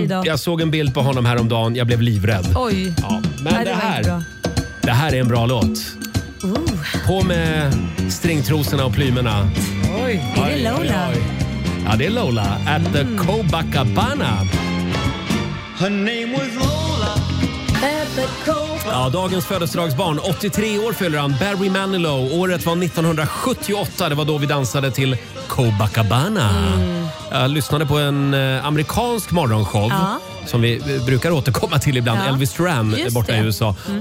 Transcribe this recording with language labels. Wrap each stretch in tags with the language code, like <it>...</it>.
<sv>Jag såg en bild på honom här om dagen. Jag blev livrädd. Oj. Ja, men det här är en bra låt. På med stringtrosorna och plymerna. Oj. Är det Lola? Ja, det är Lola at the Copacabana.</sv> <en>Her name was Lola at the Copacabana.</en> <sv>Ja, dagens födelsedagsbarn, 83 år fyller han, Barry Manilow. Året var 1978, det var då vi dansade till Copacabana. Mm. Jag lyssnade på en amerikansk morgonshow. Ja. Som vi brukar återkomma till ibland, ja. Elvis Duran borta i USA. Mm.</sv>